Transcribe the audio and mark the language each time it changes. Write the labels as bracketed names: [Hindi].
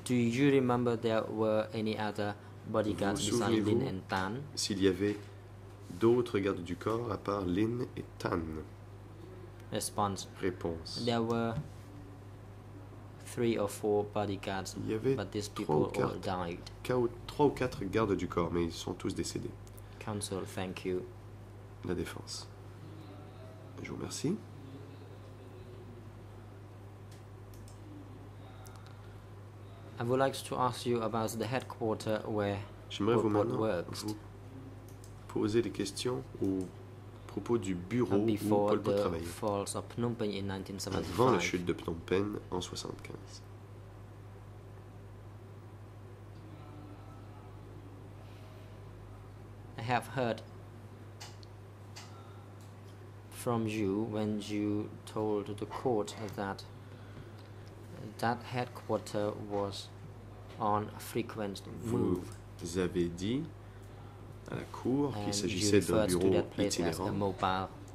[English] Do you remember there were any other bodyguards besides Lin and Tan? [French] S'il y avait d'autres gardes du corps à part Lin et Tan. [English] Response. [French] Réponse. [English] There were three or four bodyguards, [French] il y avait [English] but these people all died. [French] Trois ou quatre gardes du corps, mais ils sont tous décédés. [English] Counsel, thank you. [French] La défense. Je vous remercie. [English] I would like to ask you about the headquarters where [French] j'aimerais [English] Pol Pot works. [French] Vous poser des questions au propos du bureau où Pol Pot travaillait. [English] Falls of Phnom Penh in 1975. [French] Avant la chute de Phnom Penh en 1975. [English] I have heard from you when you told the court that that headquarter was on a frequent move. [French] Vous avez dit à la cour qu'il s'agissait d'un bureau itinérant, mobile.